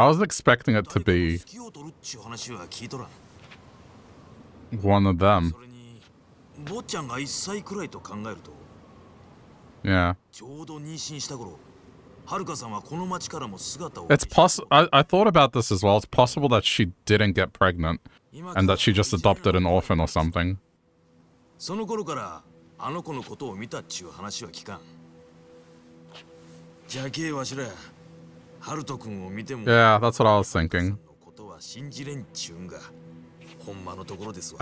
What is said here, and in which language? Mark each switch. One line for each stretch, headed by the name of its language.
English: I was expecting it to be
Japanese: 好きを取るっちゅう話は聞いとらん。
English: One of them。
Japanese: それに坊ちゃんが1歳くらいと考えると、
English: Yeah。
Japanese: ちょうど妊娠した頃、ハルカさんはこの町からも姿を。
English: It's possible. I thought about this as well. It's possible that she didn't get pregnant, and that she just adopted an orphan or something.
Japanese: その頃からあの子のことを見たっちゅう話は聞かん。じゃけえわしら。ハルト君を見ても、
English: Yeah, that's what I was thinking.
Japanese: のことは信じれんちゅうんが、ほんまのところですわ。